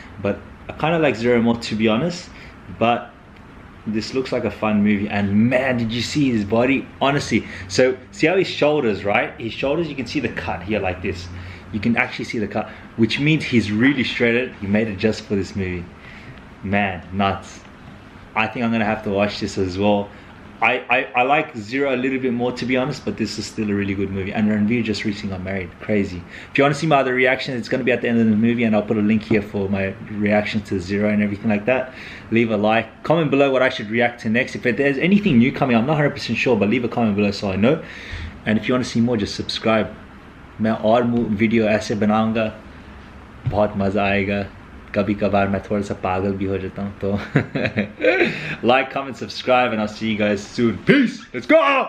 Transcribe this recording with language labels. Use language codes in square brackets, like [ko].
[en] But I kind of like zero more to be honest but this looks like a fun movie and man did you see his body honestly so see how his shoulders right his shoulders you can see the cut here like this You can actually see the cut, which means he's really shredded. He made it just for this movie. Man, nuts. I think I'm gonna have to watch this as well. I like Zero a little bit more, to be honest, but this is still a really good movie. And Ranveer just recently got married. Crazy. If you want to see my other reaction, it's going to be at the end of the movie, and I'll put a link here for my reaction to Zero and everything like that. Leave a like. Comment below what I should react to next. If there's anything new coming, I'm not 100% sure, but leave a comment below so I know. And if you want to see more, just subscribe. [hi] मैं और video ऐसे बनाऊंगा। बहुत मज़ा आएगा। कभी कभार मैं थोड़ा सा पागल भी हो जाता हूं तो। [en] Like, comment, subscribe, and I'll see you guys soon. Peace. Let's go.